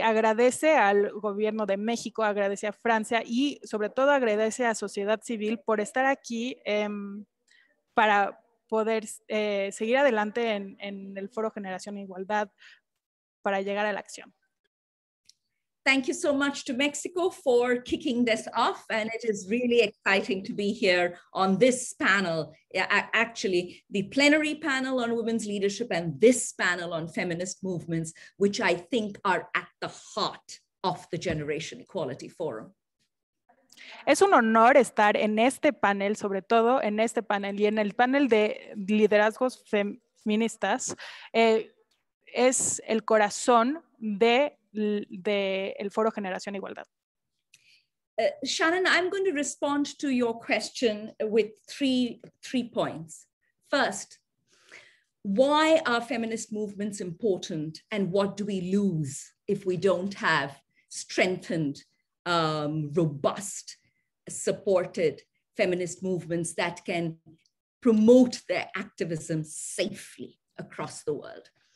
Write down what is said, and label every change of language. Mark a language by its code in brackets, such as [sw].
[es] Agradece al gobierno de México, agradece a Francia y sobre todo agradece a sociedad civil por estar aquí para poder seguir adelante en el Foro Generación e Igualdad para llegar a la acción. [en] Thank you so much to Mexico for kicking this off. And it is really exciting to be here on this panel, actually the plenary panel on women's leadership and this panel on feminist movements, which I think are at the heart of the Generation Equality Forum. [es] Es un honor estar en este panel, sobre todo en este panel y en el panel de liderazgos feministas. Es el corazón de el Foro Generación Igualdad. [en] Shannon, I'm going to respond to your question with three points. First, why are feminist movements important and what do we lose if we don't have strengthened, robust, supported feminist movements that can promote their activism safely across the world?